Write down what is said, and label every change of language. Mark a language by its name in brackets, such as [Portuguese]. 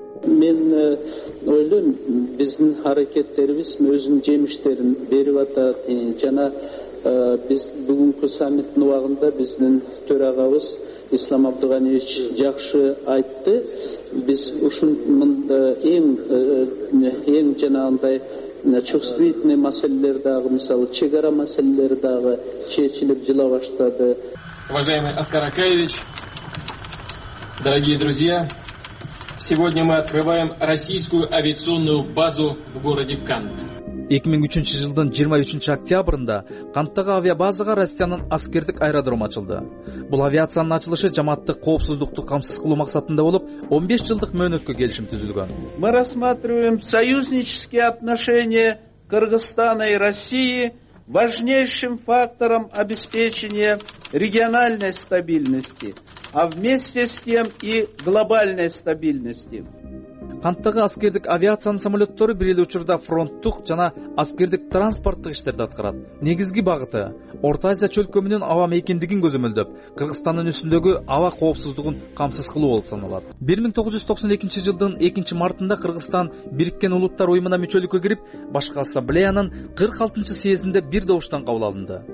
[Kyrgyz] Мен ойлойм, биздин аракеттерибиз өзүнүн жемиштерин берип атат жана биз бүгүнкү саммиттин убагында биздин төрагабыз Ислам Абдуганиевич жакшы айтты. Биз эң жанагындай чувствительный маселелер дагы, мисалы чек ара маселелери дагы чечилип жыла баштады. [Russian] Уважаемый Аскар Акаевич, дорогие друзья, сегодня мы открываем российскую авиационную базу в городе Кант. [Kyrgyz] 2003 жылдын 23 октябрында Канттагы авиабазага Россиянын аскердик аэродром ачылды. Бул авиациянын ачылышы жамааттык коопсуздукту камсыз кылуу максатында болуп, 15 жылдык мөөнөткө келишим түзүлгөн. [Russian] Мы рассматриваем союзнические отношения Кыргызстана и России важнейшим фактором обеспечения региональной стабильности, а вместе с тем и глобальной стабильности. [Kyrgyz] Канттагы аскердик авиациянын самолеттору бир эле учурда фронттук жана аскердик транспорттук иштерди аткарат. Негизги багыты Орто Азия чөлкөмүнүн аба мейкиндигин көзөмөлдөп, Кыргызстандын үстүндөгү аба коопсуздугун камсыз кылуу болуп саналат. 1992 жылдын 2 мартында Кыргызстан Бириккен Улуттар Уюмуна мүчөлүккө кирип, Башкы Ассамблеянын 46 съездинде бир добуштан кабыл алынды.